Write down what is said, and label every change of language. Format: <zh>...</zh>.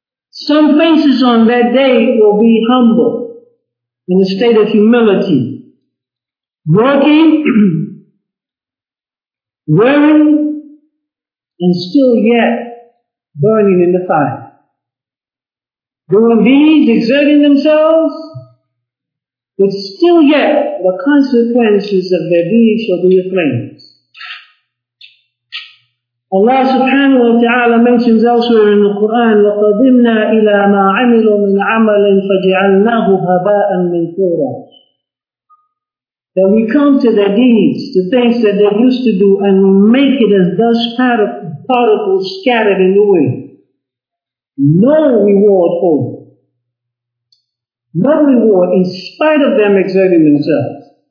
<en>Some faces on that day will be humble, in a state of humility, working, wearing, and still yet burning in the fire. Doing deeds, exerting themselves, but still yet the consequences of their deeds shall be the flames. Allah subhanahu wa ta'ala mentions elsewhere in the Quran,</en> <ar>وَقَدِمْنَا إِلَى مَا عَمِلُوا مِنْ عَمَلٍ فَجِعَلْنَاهُ هَبَاءً مِنْ فُورًا.</ar> <en>That we come to their deeds, the things that they used to do, and we make it as dust particles scattered in the wind. No reward for them. No reward in spite of them exerting themselves.</en>